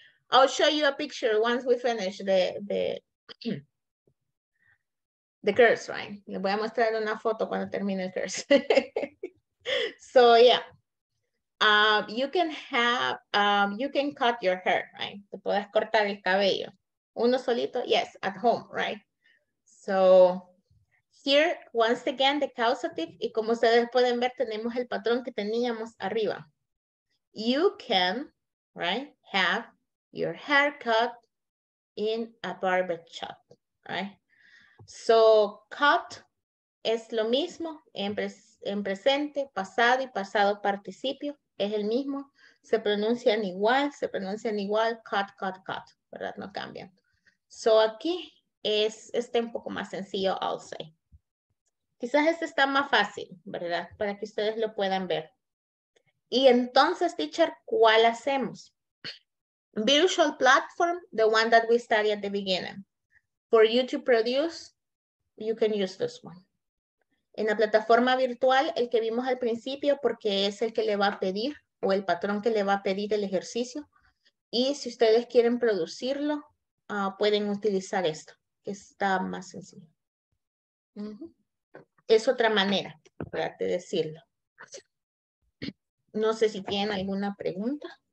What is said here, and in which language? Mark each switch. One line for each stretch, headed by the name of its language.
English: I'll show you a picture once we finish the curse, right?
Spanish: Le voy a mostrar una foto cuando termine el curse.
English: So yeah, you can cut your hair, right?
Spanish: Te puedes cortar el cabello. Uno solito,
English: yes, at home, right? So here, once again, the causative,
Spanish: y como ustedes pueden ver, tenemos el patrón que teníamos arriba.
English: You can, right, have your hair cut in a barber shop, right?
Spanish: So, cut es lo mismo en presente, pasado y pasado participio, es el mismo, se pronuncian igual, cut, ¿verdad? No cambian. So, aquí, es este un poco más sencillo,
English: I'll say.
Spanish: Quizás este está más fácil, ¿verdad? Para que ustedes lo puedan ver. Y entonces, teacher, ¿cuál hacemos?
English: Virtual platform, the one that we studied at the beginning. For you to produce, you can use this one.
Spanish: En la plataforma virtual, el que vimos al principio, porque es el que le va a pedir, o el patrón que le va a pedir el ejercicio. Y si ustedes quieren producirlo, pueden utilizar esto, que está más sencillo. Es otra manera, para decirlo. No sé si tienen alguna pregunta.